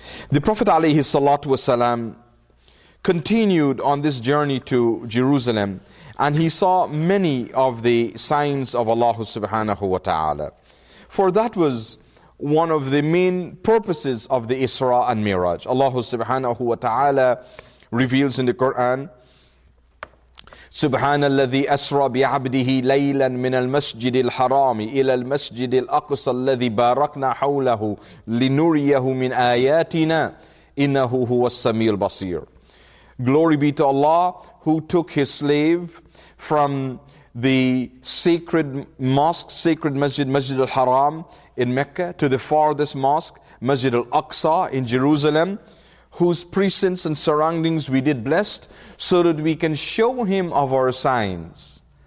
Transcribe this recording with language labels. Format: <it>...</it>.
<en>The Prophet</en> <ar>alayhi salatu wasalam</ar> <en>continued on this journey to Jerusalem, and he saw many of the signs of Allah</en> <ar>subhanahu wa ta'ala.</ar> <en>For that was one of the main purposes of the Isra and Miraj.</en> <ar>Allah subhanahu wa ta'ala</ar> <en>reveals in the Quran,</en> <ar>سبحان الذي أسرى بعبده ليلا من المسجد الحرام إلى المسجد الأقصى الذي باركنا حوله لنريه من آياتنا إنه هو السميع البصير.</ar> <en>Glory be to Allah who took his slave from the sacred mosque, sacred masjid, Masjid al-Haram in Mecca, to the farthest mosque, Masjid al-Aqsa in Jerusalem, whose precincts and surroundings we did blessed, so that we can show him of our signs.</en>